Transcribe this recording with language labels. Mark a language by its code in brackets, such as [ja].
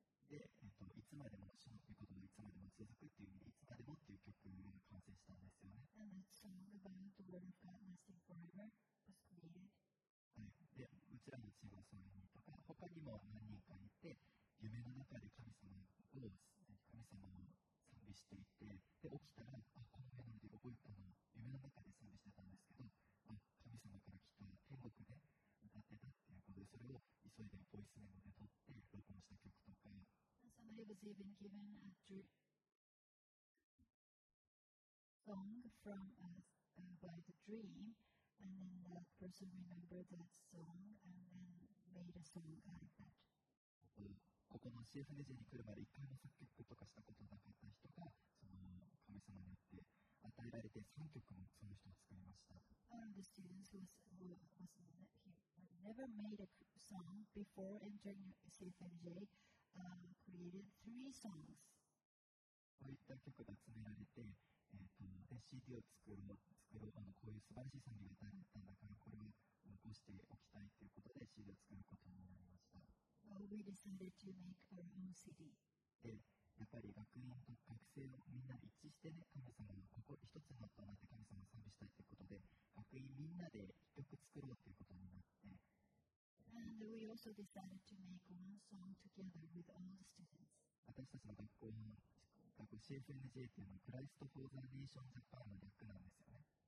[ja] で、いつまでも、主の御言葉がいつまでも続くっていう意味で、いつまでもっていう曲が完成したんですよね。 [en] And that song about the word of God lasting forever was created. [ja] で、うちらのチームはそういうふうにとか、他にも何人かいて、夢の中で神様を賛美していて、で、起きたら、あ、この夢の中で覚えたの、夢の中で賛美してたんですけど、あ、神様から来た天国で歌ってたっていうことで、それを急いでボイスメモで撮って録音した曲とか、 [en] Somebody was even given a song from by the dream, and then that person remembered that song and then made a song out of that. [ja] ここの CFMJ に来るまで一回も作曲とかしたことなかった人が、その神様によって与えられて3曲もその人を作りました。 [en] One of the students who was never made a song before entering CFMJ. Created three songs. [ja] こういった曲が集められて、CD を作ろう、こういう素晴らしい賛美が歌われたんだから、これを残しておきたいということで CD を作ることになりました。 [en] Well, we decided to make our own CD. [ja] で、やっぱり学院と学生をみんな一致してね、神様の心一つになったなって神様を賛美したいということで、学院みんなで一曲作ろうということになって、 [en] And we also decided to make one song together with all the students. [ja] 私たちの学校 CFMJ っていうのはクライストフォーザネーションジャパンの略なんですよね。